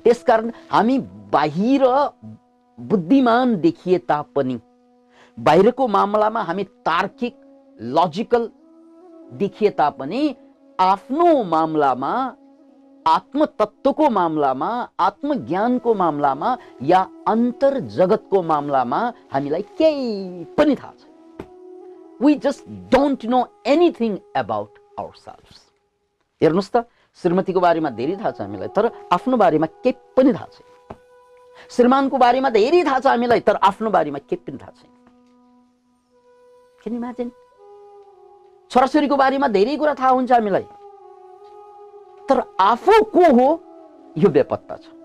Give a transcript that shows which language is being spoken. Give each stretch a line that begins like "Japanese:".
Nepali: त्यसकारण हामी बाहिर बुद्धिमान देखिए तापनि, बाहिरको मामलामा हामी तार्किक लजिकल देखिए तापनि, आफ्नो मामलामा, आत्मतत्त्वको मामलामा, आत्मज्ञानको मामलामा, या अन्तर जगतको मामलामा हामीलाई केही पनि थाहा छैन।
English: We just don't know anything about our selfs.
Nepali: हेर्नुहोस् त, श्रीमतीको बारेमा धेरै थाहा छ हामीलाई, तर आफ्नो बारेमा के पनि थाहा छैन। श्रीमानको बारेमा धेरै थाहा छ हामीलाई, तर आफ्नो बारेमा के पनि थाहा छैन। किन इमेजिन, छोराछोरीको बारेमा धेरै कुरा थाहा हुन्छ हामीलाई, तर आफू को हो यो बेपत्ता छ।